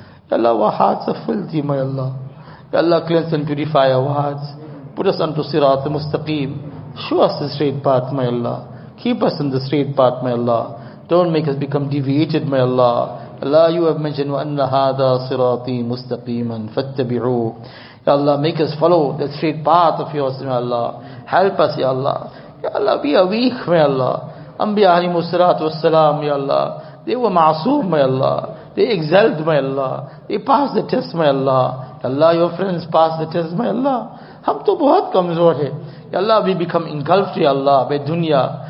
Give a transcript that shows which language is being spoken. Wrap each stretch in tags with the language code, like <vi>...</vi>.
<en>Allah, our hearts are filthy, my Allah. Allah cleanse and purify our hearts. Put us onto sirat mustaqim. Show us the straight path, my Allah. Keep us in the straight path, my Allah. Don't make us become deviated, my Allah. Allah, you have mentioned,</en> <ar>وَأَنَّ هَذَا صِرَاطِي مُسْتَقِيمًا فَاتَّبِعُوهُ.</ar> <en>Ya Allah, make us follow the straight path of yours, my Allah. Help us, Ya Allah. Ya Allah, we are weak, my Allah. Anbiya alayhimu salatu wassalam, Ya Allah. They were ma'asoom, my Allah. They exalted, my Allah. They passed the test, my Allah. Ya Allah, your friends passed the test, my Allah.</en> <ur>Hum toh bohat kamzor hai.</ur> <en>Ya Allah, we become engulfed, Ya Allah, by dunya.</en>